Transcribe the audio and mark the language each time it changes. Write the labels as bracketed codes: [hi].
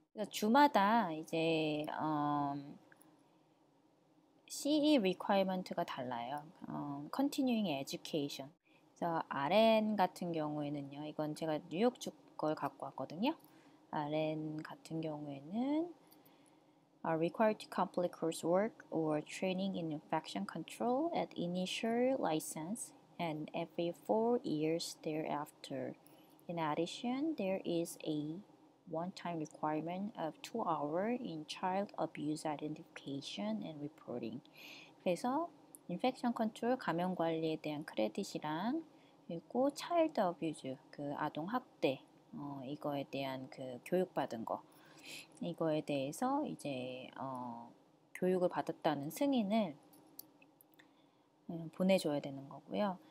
[ko] 주마다 이제 CE requirement가 달라요. [en] Continuing education. [ko] 그래서 RN 같은 경우에는요. 이건 제가 뉴욕주 걸 갖고 왔거든요. RN 같은 경우에는 [en] are required to complete coursework or training in infection control at initial license and every 4 years thereafter. In addition, there is a one-time requirement of 2 hours in child abuse identification and reporting. [ko] 그래서 infection control 감염 관리에 대한 크레딧이랑 그리고 child abuse 아동 학대 이거에 대한 교육 받은 거. 이거에 대해서 이제 교육을 받았다는 승인을 보내줘야 되는 거고요.